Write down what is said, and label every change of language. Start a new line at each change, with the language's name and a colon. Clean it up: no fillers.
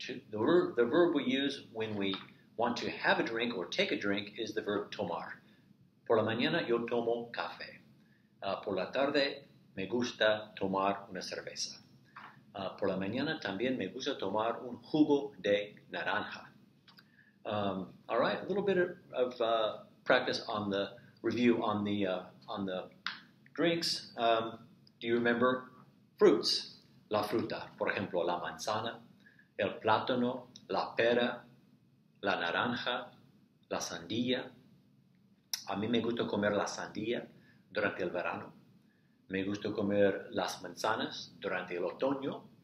English: The verb we use when we want to have a drink or take a drink is the verb tomar.
Spanish: Por la mañana yo tomo café. Por la tarde me gusta tomar una cerveza. Por la mañana también me gusta tomar un jugo de naranja.
English: All right, a little bit of practice on the review on the drinks. Do you remember fruits?
Spanish: La fruta, por ejemplo, la manzana, el plátano, la pera, la naranja, la sandía. A mí me gusta comer la sandía durante el verano. Me gusta comer las manzanas durante el otoño.